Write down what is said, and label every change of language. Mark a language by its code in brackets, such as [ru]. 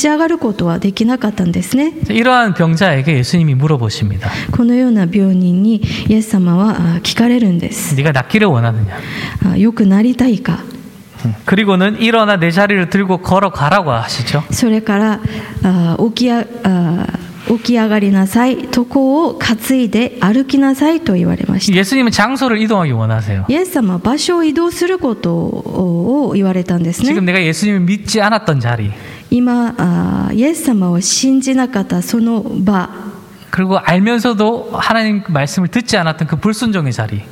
[ja] 神様の存在は信じていましたしかし自分の力で立ち上がることはできなかったんですね。 [ko] 이러한 병자에게 예수님이 물어보십니다. [ja] このような病人 イエス様は聞かれるんです。 [ko] 네가 낫기를 원하느냐? [ja] 良くなりたいか? [ko] 그리고는 일어나 내 자리를 들고 걸어가라고 하시죠. [ja] それから起き上がりなさい床を担いで歩きなさいと言われました。 [ko] 예수님은 장소를 이동하기 원하세요. [ja] イエス様は場所を移動することを言われたんですね。 [ko] 지금 내가 예수님을 믿지 않았던 자리. [ja] 今イエス様を信じなかったその場。 [ko] 그리고 알면서도 하나님 말씀을 듣지 않았던 그 불순종의 자리.